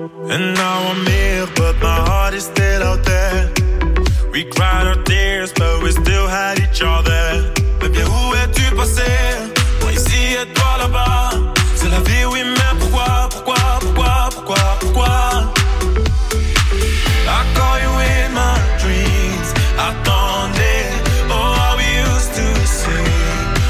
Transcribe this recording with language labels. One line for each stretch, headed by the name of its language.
English: And now I'm here, but my heart is still out there. We cried our tears, but we still had each other.
French: Mais bien, où es-tu passé? Moi ici et toi là-bas. C'est la vie, oui, mais pourquoi, pourquoi, pourquoi, pourquoi, pourquoi?
English: I call you in my dreams. Attendez, oh, how we used to sing.